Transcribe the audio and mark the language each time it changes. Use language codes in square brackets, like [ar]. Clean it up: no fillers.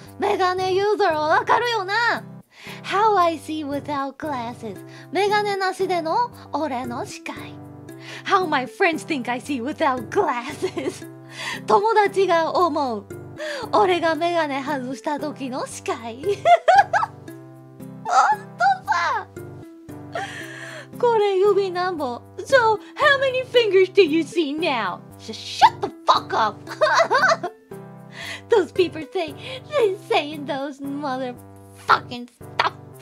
[ja] メガネユーザーはわかるよな。 [en] How I see without glasses. [ja] メガネなしでの俺の視界。 [en] How my friends think I see without glasses. [ja] 友達が思う俺がメガネ外した時の視界。ほんとさ、これ指なんぼ。 [en] So how many fingers do you see now? Just shut the fuck up! Those people say, they saying those motherfucking stuff.